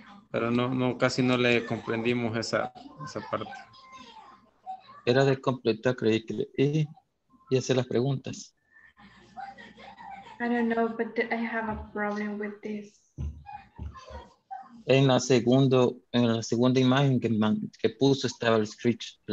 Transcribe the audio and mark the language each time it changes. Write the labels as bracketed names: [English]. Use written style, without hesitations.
[Spanish] Pero no, casi no le comprendimos esa parte. Era de completar, creí que y hacer las preguntas. [English] I don't know, but I have a problem with this. [Spanish] En la segunda imagen que puso estaba el script.